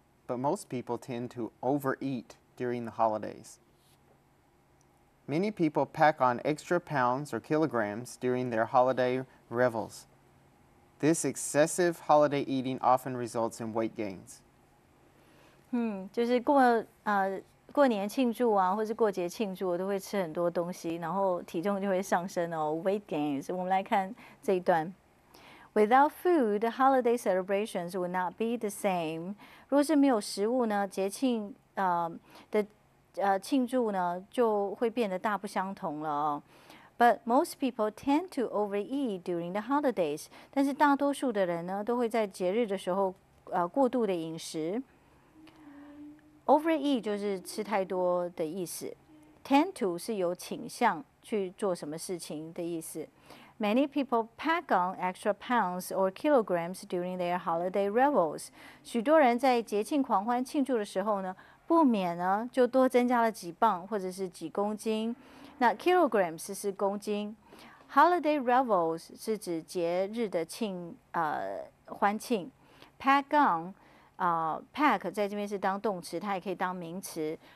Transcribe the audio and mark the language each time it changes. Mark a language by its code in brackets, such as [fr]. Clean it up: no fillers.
[en] But most people tend to overeat during the holidays. Many people pack on extra pounds or kilograms during their holiday revels. This excessive holiday eating often results in weight gains. [zh] 就是过年庆祝啊，或是过节庆祝，都会吃很多东西，然后体重就会上升哦。 [en] Weight gains. [zh] 我们来看这一段。 [en] Without food, holiday celebrations would not be the same. [zh] 如果是没有食物呢，节庆的庆祝呢就会变得大不相同了、哦、 [en] But most people tend to overeat during the holidays. [zh] 但是大多数的人呢都会在节日的时候过度的饮食。 Overeat 就是吃太多的意思。Tend to 是有倾向去做什么事情的意思。 [en] Many people pack on extra pounds or kilograms during their holiday revels. [zh] 许多人在节庆狂欢庆祝的时候呢不免呢就多增加了几磅或者是几公斤。那 kilograms 是公斤。Holiday revels 是指节日的欢庆。 Pack on, pack 在这边是当动词它也可以当名词。